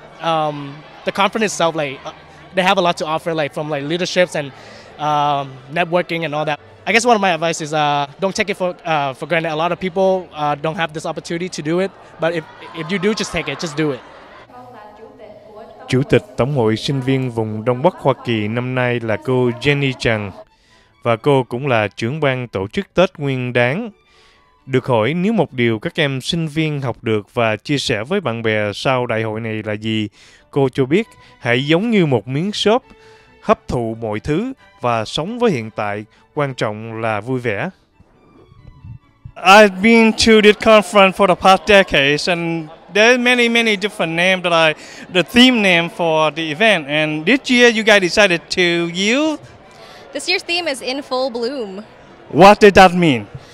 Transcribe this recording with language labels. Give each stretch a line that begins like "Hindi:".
English: The conference itself, like they have a lot to offer, like from like leaderships and networking and all that. I guess one of my advice is don't take it for granted. A lot of people don't have this opportunity to do it, but if you do, just take it, just do it.
Vietnamese: Chủ tịch Tổng hội Sinh viên vùng Đông Bắc Hoa Kỳ năm nay là cô Jenny Chang, và cô cũng là trưởng ban tổ chức Tết Nguyên Đán. Được hỏi nếu một điều các em sinh viên học được và chia sẻ với bạn bè sau đại hội này là gì, cô cho biết hãy giống như một miếng xốp, hấp thụ mọi thứ và sống với hiện tại, quan trọng là vui vẻ.
English: I've been to this conference for the past decades, and there are many, many different names that are the theme name for the event. And this year, you guys decided to use? This year's theme is In Full Bloom. What did that mean?